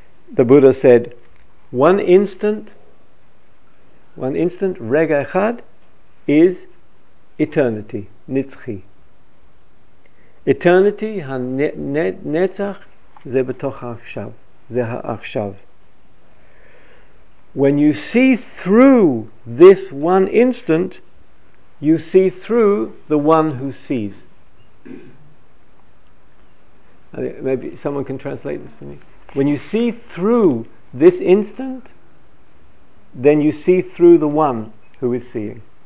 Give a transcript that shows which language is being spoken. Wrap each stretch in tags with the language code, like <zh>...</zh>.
<en>The Buddha said, one instant,</en> <he>רגע אחד,</he> <en>is eternity,</en> <he>נצחי. Eternity, הנצח, זה בתוך העכשיו, זה העכשיו.</he> <en>When you see through this one instant, you see through the one who sees. Maybe someone can translate this for me. When you see through this instant, then you see through the one who is seeing.</en>